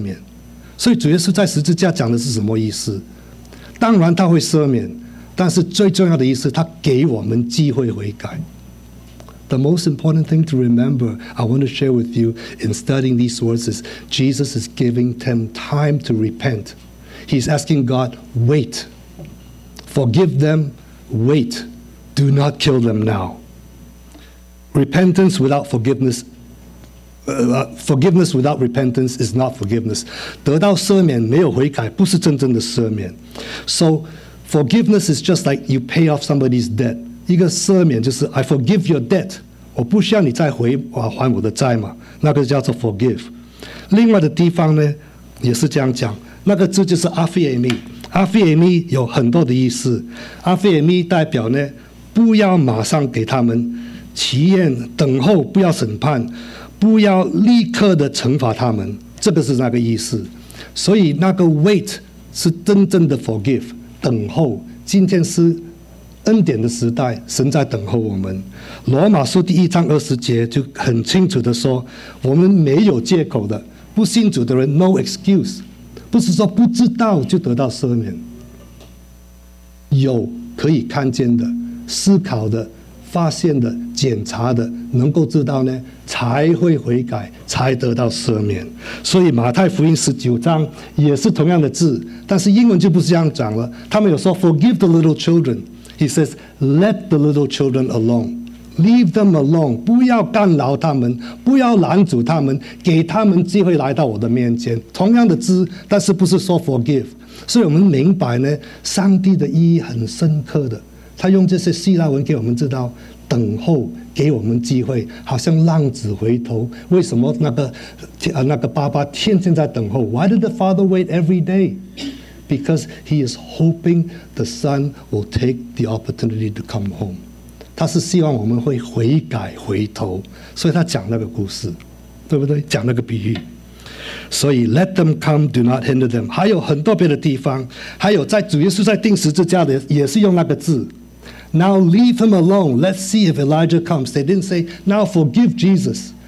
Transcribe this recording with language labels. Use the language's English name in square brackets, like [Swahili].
[Chinese] 你的罪得赦免是如果你悔改。所以不知道没有悔改也不得到赦免。所以主耶稣在十字架讲的是什么意思？当然他会赦免，但是最重要的意思，他给我们机会悔改。The [English] most important thing to remember, I want to share with you in studying these words, is Jesus is giving them time to repent. He's asking God, wait, forgive them, wait, do not kill them now. Repentance without forgiveness, forgiveness without repentance is not forgiveness. [Chinese] 得到赦免没有悔改，不是真正的赦免。 [English] So forgiveness is just like you pay off somebody's debt. [Chinese] 一个赦免就是 [English] I forgive your debt. [Chinese] 我不需要你再还我的债嘛。那个叫做forgive. 另外的地方呢，也是这样讲。那个字就是afiemi. Afiemi 有很多的意思。 Afiemi 代表呢， 不要马上给他们祈愿，等候不要审判， 不要立刻的惩罚他们。这个是那个意思。所以那个wait 是真正的forgive， 等候。今天是恩典的时代，神在等候我们。罗马书第1章20节就很清楚地说，我们没有借口的，不信主的人 [English] no excuse， [Chinese] 不是说不知道就得到赦免。有可以看见的，思考的，发现的、检查的，能够知道呢，才会悔改，才得到赦免。所以马太福音十九章也是同样的字，但是英文就不是这样讲了。他们有说 [English] "Forgive the little children," he says, "Let the little children alone." Leave them alone， [Chinese] 不要干扰他们，不要拦阻他们，给他们机会来到我的面前。同样的字，但是不是说 forgive， 所以我们明白呢，上帝的意义很深刻的。他用这些希腊文给我们知道，等候给我们机会，好像浪子回头。为什么那个爸爸天天在等候 [English] ？Why did the father wait every day？ Because he is hoping the son will take the opportunity to come home。 [Chinese] 他是希望我们会悔改回头，所以他讲那个故事，对不对？讲那个比喻。所以 [English] let them come, do not hinder them。 [Chinese] 还有很多别的地方，还有在主耶稣在钉十字架的也是用那个字。 [English] Now leave him alone, let's see if Elijah comes. They didn't say now forgive Jesus。